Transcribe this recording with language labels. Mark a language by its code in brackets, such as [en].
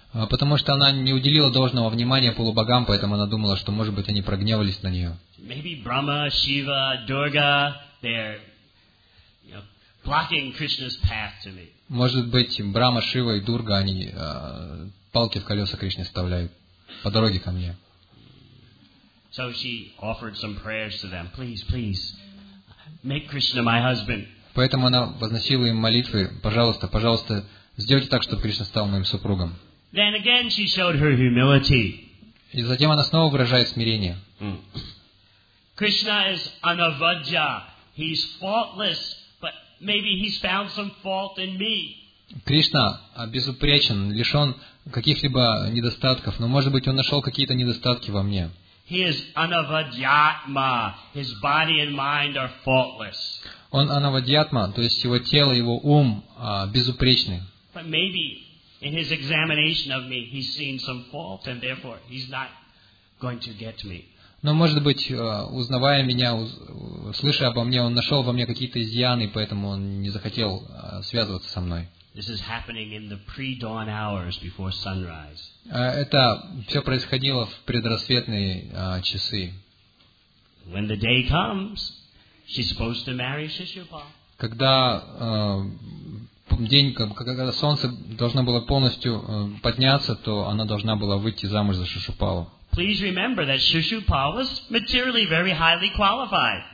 [ru] Потому что она не уделила должного внимания полубогам, поэтому она думала, что, может быть, они прогневались на нее. [en] Maybe Brahma, Shiva, Durga, they're blocking Krishna's path to me. [ru] Может быть, Брама, Шива и Дурга, они палки в колеса Кришне вставляют по дороге ко мне. [en] So she offered some prayers to them. Please, please, make Krishna my husband. [ru] Поэтому она возносила им молитвы. Пожалуйста, пожалуйста, сделайте так, чтобы Кришна стал моим супругом. [en] Then again she showed her humility. [ru] И затем она снова выражает смирение. [en] Krishna is anavajja. He's faultless, but maybe he's found some fault in me. [ru] Кришна безупречен, лишен каких-либо недостатков, но, может быть, он нашел какие-то недостатки во мне. [en] He is anavadhyatma. His body and mind are faultless. [ru] Он анавадьятма, то есть его тело, его ум безупречны. [en] But maybe in his examination of me, he's seen some fault, and therefore he's not going to get me. [ru] Но, может быть, узнавая меня, слыша обо мне, он нашел во мне какие-то изъяны, поэтому он не захотел связываться со мной. [en] This is happening in the pre-dawn hours before sunrise. [ru] Это все происходило в предрассветные часы. [en] When the day comes, she's supposed to marry Shishupal. [ru] Когда день, когда солнце должно было полностью подняться, то она должна была выйти замуж за Шишупалу. [en] Please remember that Shishupal was materially very highly qualified.